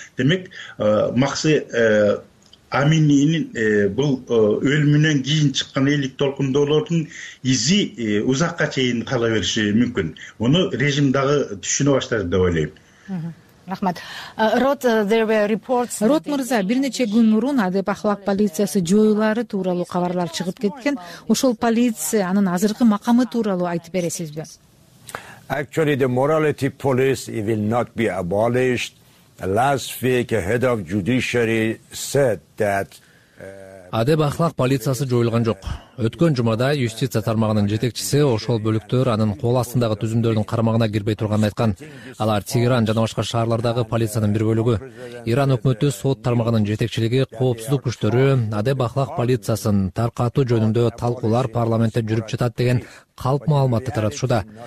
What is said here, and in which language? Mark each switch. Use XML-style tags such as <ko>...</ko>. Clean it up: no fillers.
<ky>Демек Максы Амининин бул өлүмүнөн кийин чыккан элдик толкундоолордун изи узакка чейин кала бериши мүмкүн. Муну режим дагы түшүнө баштады деп ойлойм. Рахмат. Рот мырза, бир нече күн мурун адеп ахлак полициясы жоюулары тууралуу кабарлар чыгып кеткен. Ошол полиция анын азыркы макамы тууралуу айтып бересизби?</ky> <en>Actually, the morality police will not be abolished. Last week, a head of judiciary said that</en> <ky>адеп ахлак полициясы жоюлган жок. Өткөн жумада юстиция тармагынын жетекчиси ошол бөлүктөр анын кол астындагы түзүмдөрдүн кармагына кирбей турганын айткан. Алар Тегеран жана башка шаарлардагы полициянын бир бөлүгү. Иран өкмөтү сот тармагынын жетекчилиги, коопсуздук күчтөрү, адеп ахлак полициясын таркатуу жөнүндө талкуулар парламентте жүрүп жатат деген калп маалыматты таратышууда.</ky>